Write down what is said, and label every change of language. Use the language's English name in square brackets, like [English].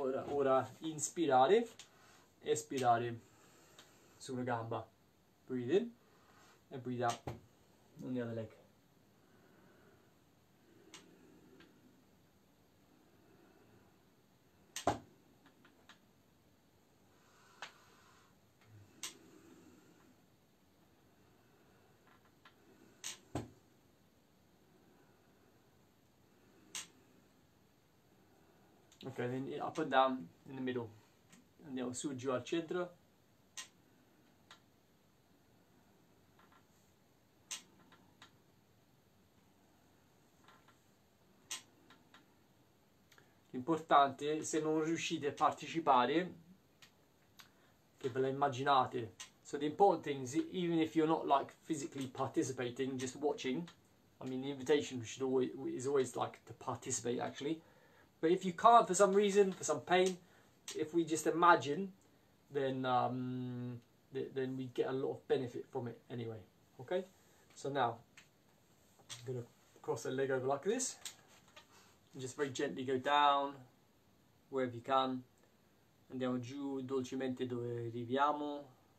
[Italian] Ora inspirare, espirare sulla gamba. [English] Breathe in and breathe out on the other leg. Okay, then up and down in the middle. [Italian] Andiamo su giù al centro. importante, se non riuscite a partecipare, che ve la immaginate. [English] So the important thing is, even if you're not like physically participating, just watching, I mean the invitation should always is always like to participate actually. But if you can't for some reason, for some pain, if we just imagine, then we get a lot of benefit from it anyway. Okay? So now I'm gonna cross the leg over like this. And just very gently go down wherever you can. [Italian] Andiamo giù dolcemente dove arriviamo.